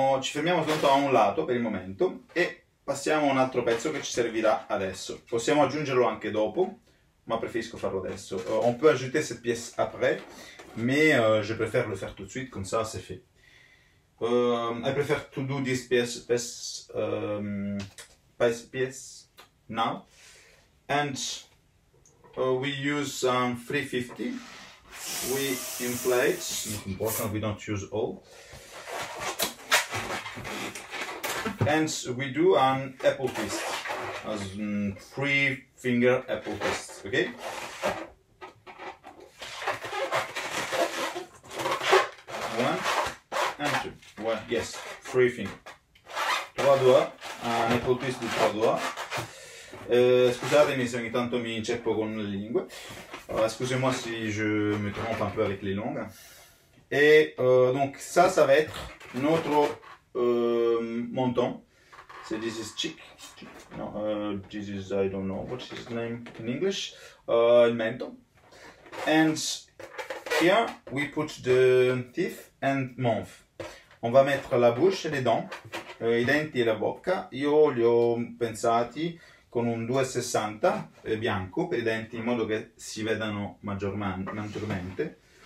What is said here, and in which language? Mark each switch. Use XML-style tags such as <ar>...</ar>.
<it>Ci fermiamo soltanto a un lato per il momento e passiamo a un altro pezzo che ci servirà adesso. Possiamo aggiungerlo anche dopo, ma preferisco farlo adesso.</it> <fr>On peut ajouter cette pièce après, mais je préfère le faire tout de suite, comme ça c'est fait.</fr> <en>I prefer to do this piece now. And we use 350. We inflate. It's important we don't use all. And we do an apple twist. As three finger apple twist. Okay? One and two. Yes, three fingers.</en> <fr>Trois doigts, un épaule twist de trois doigts.</fr> <it>Scusatemi se ogni tanto mi inceppo con le lingue.</it> <fr>Scusez-moi si je me trompe un peu avec les langues. Et donc ça, ça va être notre menton.</fr> <en>So this is cheek. No, this is, I don't know what's his name in English. Menton. And here we put the teeth and mouth.</en> <fr>On va mettre la bouche et les dents,</fr> <it>i denti e la bocca. Io li ho pensati con un 260 bianco per i denti, in modo che si vedano maggiormente.</it>